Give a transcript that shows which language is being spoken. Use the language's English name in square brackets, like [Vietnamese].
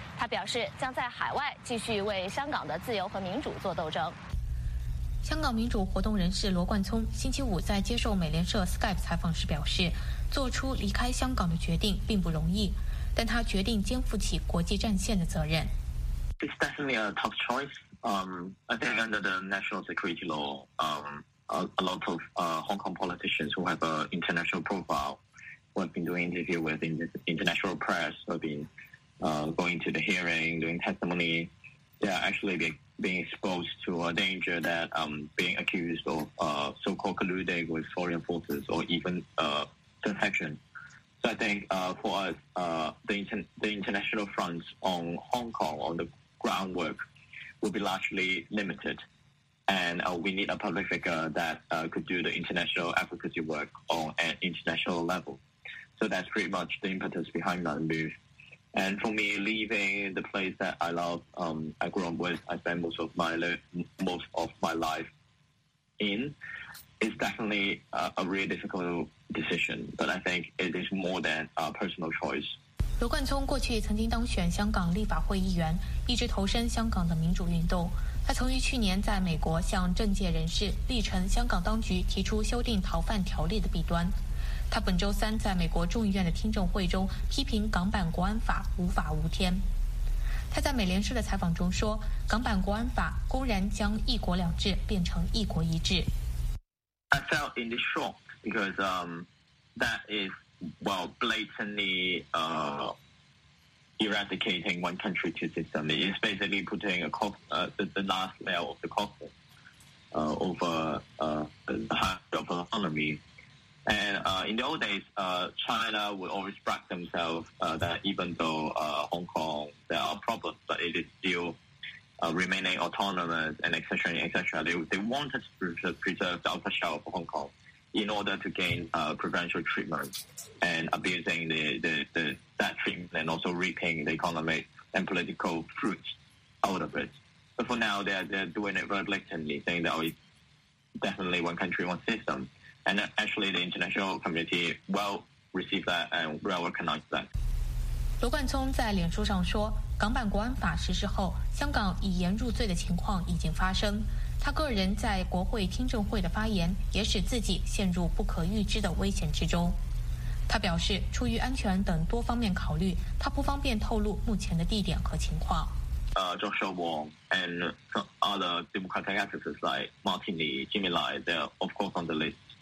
[Chinese] 他表示将在海外继续为香港的自由和民主做斗争。香港民主活动人士罗冠聪星期五在接受美联社 Skype 采访时表示，做出离开香港的决定并不容易，但他决定肩负起国际战线的责任。 [English] It's definitely a tough choice. I think under the national security law, a lot of Hong Kong politicians who have an international profile, who have been doing interview with international press, who have been going to the hearing, doing testimony, they are actually being exposed to a danger that being accused of so-called colluding with foreign forces or even defection. So I think for us, the international front on Hong Kong, on the groundwork, will be largely limited. And we need a public figure that could do the international advocacy work on an international level. So that's pretty much the impetus behind that move. And for me, leaving the place that I love, I grew up with, I spent most of my life in, is definitely a really difficult decision. But I think it is more than a personal choice. [Chinese] 罗冠聪过去曾经当选香港立法会议员，一直投身香港的民主运动。他曾于去年在美国向政界人士力陈香港当局提出修订逃犯条例的弊端。他本周三在美国众议院的听证会中批评港版国安法无法无天。他在美联社的采访中说，港版国安法公然将一国两制变成一国一制。 [English] I felt in the shock because that isWell, blatantly eradicating one country, two systems. It's basically putting the last layer of the coffin over the heart of an economy. And in the old days, China would always brag themselves that even though Hong Kong, there are problems, but it is still remaining autonomous and etc. etc. They wanted to preserve the outer shell of Hong Kong. In order to gain preferential treatment and abusing that treatment and also reaping the economic and political fruits out of it. But for now, they're doing it very blatantly, saying that it's definitely one country, one system. And actually, the international community well received that and well recognized that. [Chinese] 罗冠聪在脸书上说，港版国安法实施后，香港以言入罪的情况已经发生。他个人在国会听证会的发言也使自己陷入不可预知的危险之中。他表示，出于安全等多方面考虑，他不方便透露目前的地点和情况。 [English] Joshua Wong and some other democratic activists like Martin Lee, Jimmy Lai, they're of course on the list.